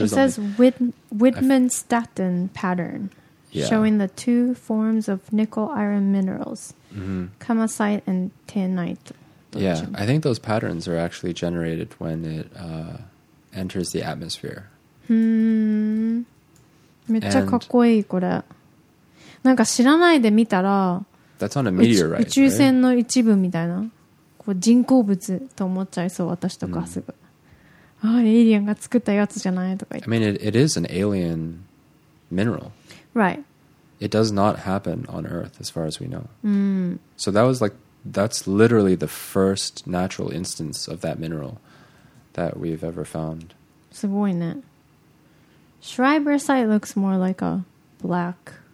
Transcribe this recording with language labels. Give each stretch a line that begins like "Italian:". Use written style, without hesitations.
English: It says Widermann-Stetten pattern, showing the two forms of nickel iron minerals, kamasite and taenite. Yeah, I think those patterns are actually generated when it enters the atmosphere. Hmm.
Japanese: めっちゃかっこいいこれ。なんか知らないで見たら、
English: That's on a meteorite, right?
Japanese: 宇宙船の一部みたいな、こう人工物と思っちゃいそう私とかすぐ。 Mm. ああ、エイリアンが作ったやつじゃないとか言って。
English: I mean, it is an alien mineral. Right. It does not happen on Earth, as far as we know. Mm. So that was like, that's literally the first natural instance of that mineral that we've ever found.
Japanese: すごいね。
English: Schreibersite looks more like a black...